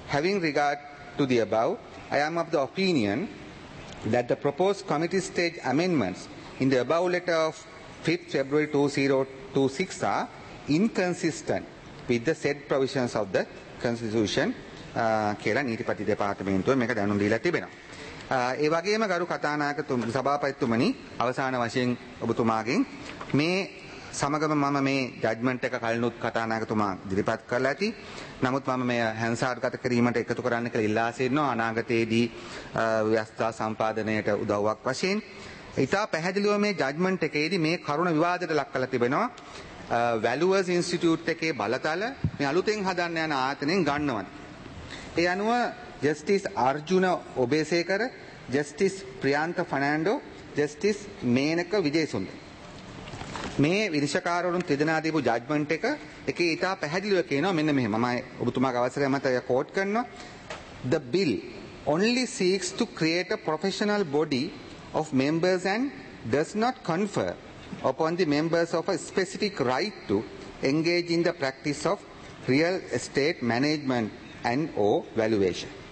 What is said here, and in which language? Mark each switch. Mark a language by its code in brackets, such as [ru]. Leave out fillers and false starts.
[en] Having regard to the above, I am of the opinion that the proposed committee stage amendments in the above letter of 5th February 2026 are inconsistent with the said provisions of the Constitution. [si] කියලා නීතිපති දෙපාර්තමේන්තුව මේක දැනුම් දීලා තිබෙනවා. ඒ වගේම ගරු කථානායක සභාපතිතුමනි අවසාන වශයෙන් ඔබතුමාගෙන් මේ සමගම මම මේ ජජ්මන්ට් එක කලිනුත් කථානායකතුමා ඉදිරිපත් කරලා ඇති. නමුත් මම මේ හැන්සාඩ්ගත කිරීමට එකතු කරන්න කියලා ඉල්ලා සිටිනවා අනාගතයේදී ව්‍යවස්ථා සම්පාදනයට උදව්වක් වශයෙන්. ඉතා පැහැදිලිව මේ ජජ්මන්ට් එකේදී මේ කරුණ විවාදයට ලක් කරලා තිබෙනවා. වැලුවර්ස් ඉන්ස්ටිටියුට් එකේ බලතල මේ අලුතෙන් හදන්න යන ආයතනයෙන් ගන්නවා. ඒ අනුව justice Arjuna ඔබේසේකර, justice Priyantha ෆර්නාන්ඩෝ, justice Menaka Wijesundara. මේ විනිශ්චකාරවරුන් තිදෙනා දීපු ජජ්මන්ට් එක එකේ ඉතා පැහැදිලිව කියනවා මෙන්න මෙහෙම. මම ඔබතුමාගේ අවසරය මත කෝට් කරනවා. [en] The bill only seeks to create a professional body of members and does not confer upon the members of a specific right to engage in the practice of real estate management and or valuation.